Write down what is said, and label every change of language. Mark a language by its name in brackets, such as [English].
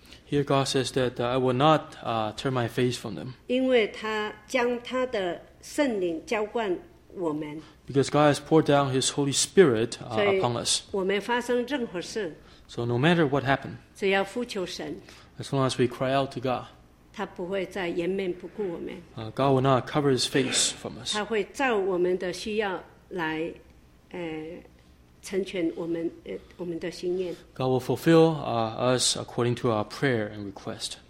[English] Here God says that I will not turn my face from them. [Chinese] 因为他将他的圣灵浇灌我们。 [English] Because God has poured down His Holy Spirit upon us. [Chinese] 我们发生任何事。 [English] So no matter what happened. [Chinese] 只要呼求神。 [English] As long as we cry out to God. [Chinese] 他不会再颜面不顾我们。 [English] God will not cover his face from us. [Chinese] 他会照我们的需要来成全我们的心愿。 [English] God will fulfill us according to our prayer and request.